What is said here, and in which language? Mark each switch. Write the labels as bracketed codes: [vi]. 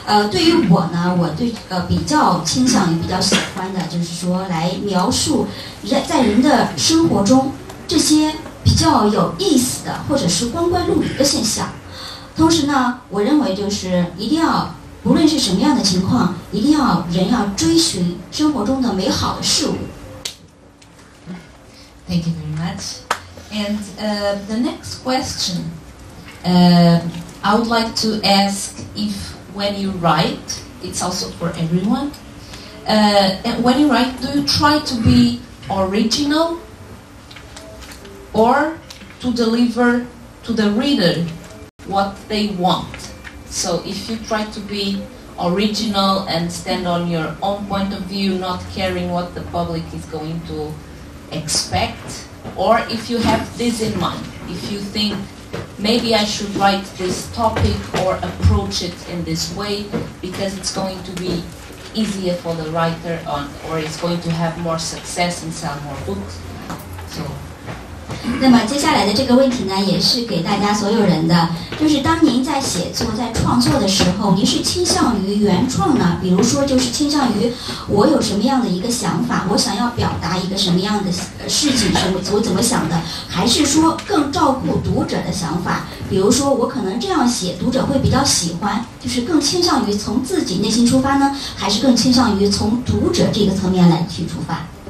[zh] 对于我呢，我对比较倾向于比较喜欢的就是说来描述在人的生活中这些。比较有意思的或者是光怪陆离的现象，同时呢我认为就是一定要不论是什么样的情况，一定要人要追寻生活中的美好的事物。 [en] Thank you very much. And the next question I would like to ask, if when you write, it's also for everyone, and when you write, do you try to be originalor to deliver to the reader what they want. So if you try to be original and stand on your own point of view, not caring what the public is going to expect, or if you have this in mind, if you think maybe I should write this topic or approach it in this way because it's going to be easier for the writer on, or it's going to have more success and sell more books. So, [zh] 那么接下来的这个问题呢，也是给大家所有人的，就是当您在写作在创作的时候，您是倾向于原创呢，比如说就是倾向于我有什么样的一个想法，我想要表达一个什么样的事情，什么我怎么想的，还是说更照顾读者的想法，比如说我可能这样写读者会比较喜欢，就是更倾向于从自己内心出发呢，还是更倾向于从读者这个层面来去出发？